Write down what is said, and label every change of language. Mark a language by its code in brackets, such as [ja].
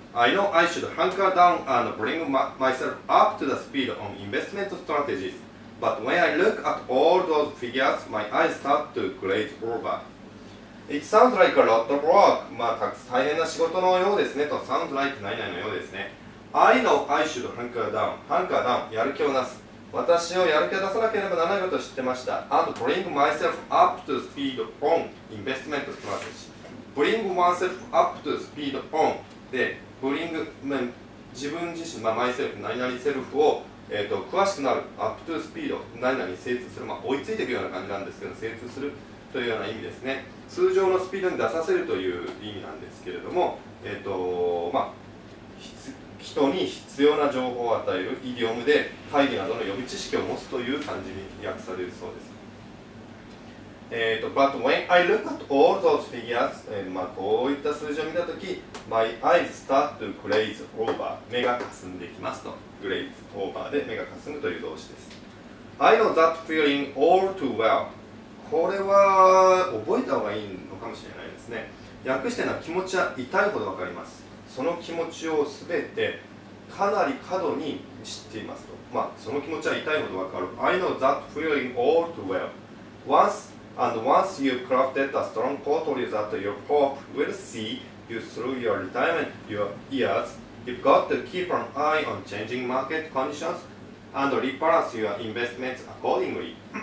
[en] I know I should hunker down and bring myself up to the speed on investment strategies. But when I look at all those figures, my eyes start to glaze over. It sounds like a lot of work. [ja] まあ、大変な仕事のようですねと。 [en] Sounds like [ja] 何々のようですね。 [en] I know I should hunker down. Hunker down. [ja] やる気をなす。私をやる気を出さなければならないことを知ってました。 [en] And bring myself up to speed on investment strategy. Bring myself up to speed on. で、bring、まあ、 [ja] 自分自身、 [en] まあ、myself、 [ja] 何々セルフを、詳しくなる。 [en] Up to speed. [ja] 何々精通する。まあ、追いついていくような感じなんですけど、精通するというような意味ですね。通常のスピードに出させるという意味なんですけれども、まあ、人に必要な情報を与えるイディオムで会議などの予備知識を持つという感じに訳されるそうです。 [en] But when I look at all those figures、 [ja] まあ、こういった数字を見たとき、 [en] My eyes start to glaze over. [ja] 目がかすんできますと。 [en] Glaze over [ja] で目がかすむという動詞です。 [en] I know that feeling all too well. [ja] これは覚えた方がいいのかもしれないですね。訳してるのは気持ちは痛いほどわかります。その気持ちをすべてかなり過度に知っていますと。まあ、その気持ちは痛いほどわかる。 [en] I know that feeling all too well. Once you've crafted a strong portfolio that your hope will see you through your retirement years, you've got to keep an eye on changing market conditions and rebalance your investments accordingly.